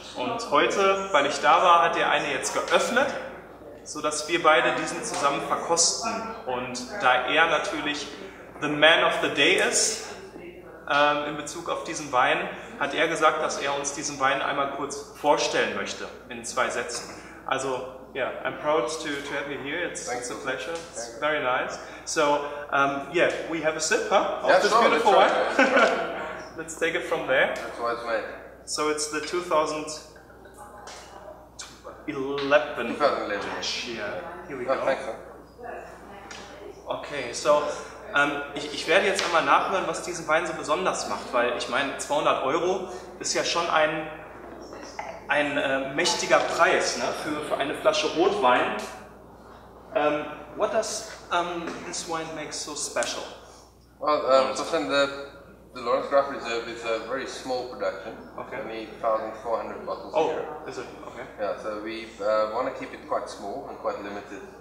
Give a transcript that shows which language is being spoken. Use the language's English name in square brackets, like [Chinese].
[German] Und heute, weil ich da war, hat der eine jetzt geöffnet, sodass wir beide diesen zusammen verkosten. Und da er natürlich [English] the man of the day [German] ist, in Bezug auf diesen Wein, hat er gesagt, dass er uns diesen Wein einmal kurz vorstellen möchte, in zwei Sätzen. [English] Also, yeah, I'm proud to have you here. It's a pleasure. It's very nice. So, yeah, we have a sip, huh? Of this beautiful wine. Let's take it from there. That's why it's made. So it's the 2011 vintage. Yeah, here we go. [German] Okay, so ich werde jetzt einmal nachhören, was diesen Wein so besonders macht, weil ich meine, 200 Euro ist ja schon ein mächtiger Preis, ne, für eine Flasche Rotwein. [English] What does this wine make so special? Well, so the Lawrence Graf Reserve is a very small production, okay. Only 1,400 bottles a year. Oh, here. Is it? Okay. Yeah, so we want to keep it quite small and quite limited.